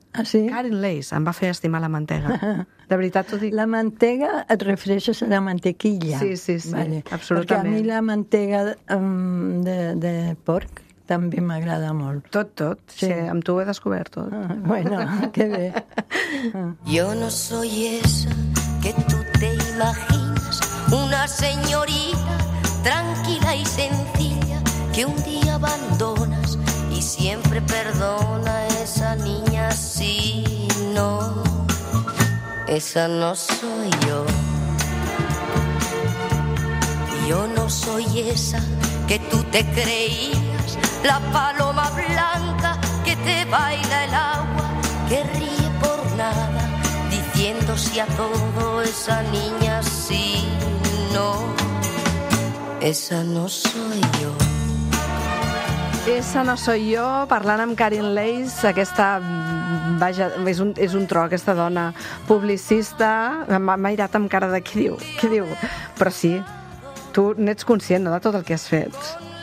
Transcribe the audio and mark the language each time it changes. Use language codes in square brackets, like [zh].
[ca] Ah, sí? Karen Lace em va fer estimar la mantega. De veritat t'ho dic. La mantega, et refereixes a la mantequilla. Sí, sí, sí, vale. Absolutament. Perquè a mi la mantega de porc també m'agrada molt. Tot. Sí. Sí, amb tu ho he descobert tot. Ah, bueno, que bé. [es] Yo no soy esa que tú te imaginas, una señorita tranquila y sencilla que un día abandonas y siempre perdona a esa niña si no. Esa no soy yo. Yo no soy esa que tú te creías, la paloma blanca que te baila el agua, que ríe por nada diciéndose a todo esa niña sí, no. Esa no soy yo. Esa no soy yo, [ca] parlant amb Karen Lace, aquesta, vaja, és un tro, aquesta dona publicista, m'ha mirat amb cara de què diu, però sí, tu n'ets conscient, no, de tot el que has fet?